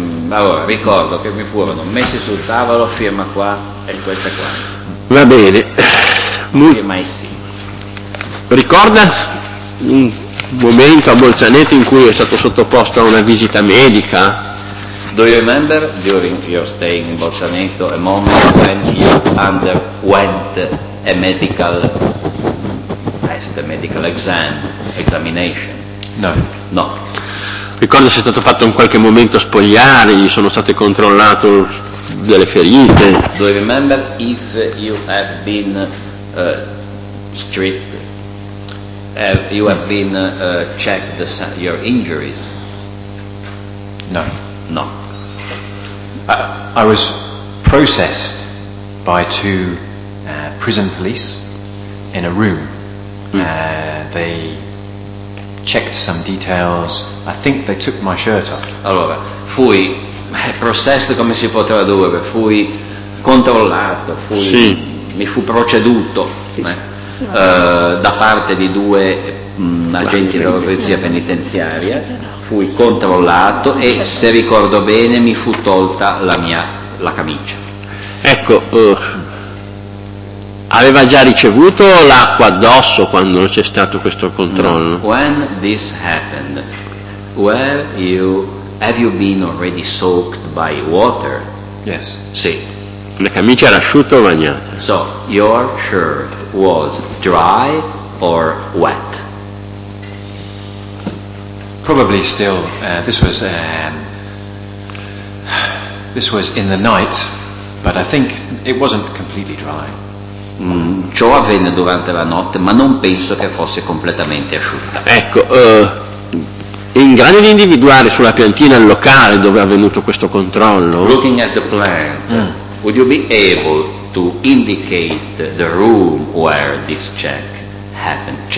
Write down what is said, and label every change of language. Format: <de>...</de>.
<it>Allora, ricordo che mi furono messi sul tavolo, firma qua e questa qua. Va bene. Mai sì. Ricorda un momento a Bolzaneto in cui è stato sottoposto a una visita medica?</it> <en>Do you remember during your stay in Bolzaneto a moment when you underwent a medical test, a medical examination? No. No.</en> <it>Ricordo se è stato fatto in qualche momento spogliare, gli sono state controllate delle ferite.</it> <en>Do you remember if you have been stripped, you have been checked your injuries? No. No. I was processed by two prison police in a room. They checked some details. I think they took my shirt off.</en> <it>Allora, fui processed, come si può tradurre? Fui controllato, fui sì. Mi fu proceduto da parte di due agenti della polizia penitenziaria. Fui controllato e, se ricordo bene, mi fu tolta la camicia. Ecco. Aveva già ricevuto l'acqua addosso quando c'è stato questo controllo? No.</it> <en>When this happened, where you have you been already soaked by water? Yes.</en> <it>Sì. La camicia era asciutta o bagnata?</it> <en>So, your shirt was dry or wet? Probably still. This was in the night, but I think it wasn't completely dry.</en> <it>Ciò avvenne durante la notte, ma non penso che fosse completamente asciutta. Ecco, è in grado di individuare sulla piantina il locale dove è avvenuto questo controllo?</it> <en>Looking at the plant, would you be able to indicate the room where this check happened?</en>